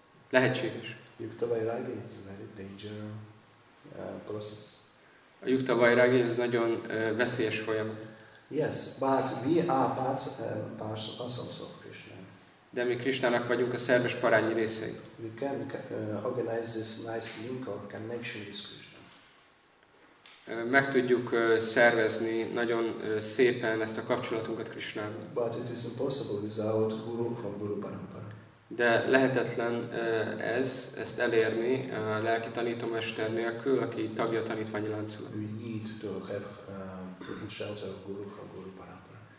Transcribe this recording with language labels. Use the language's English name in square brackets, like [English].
[Hungarian] Lehetséges. [English] Yuktavairagya is a very dangerous process. [Hungarian] A Yuktavairagya ez nagyon veszélyes folyamat. [English] Yes, but we are parts of Krishna. [Hungarian] De mi Krishnának vagyunk a szerves parányi részei. [English] We can organize this nice link or connection with Krishna. [Hungarian] Meg tudjuk szervezni nagyon szépen ezt a kapcsolatunkat Krishnával. [English] But it is impossible without Guru from Guru Parampara. [Hungarian] De lehetetlen ezt elérni a lelki tanítómester nélkül, aki tagja a tanítványi láncolat. [English] We need to have shelter of Guru from Guru Parampara.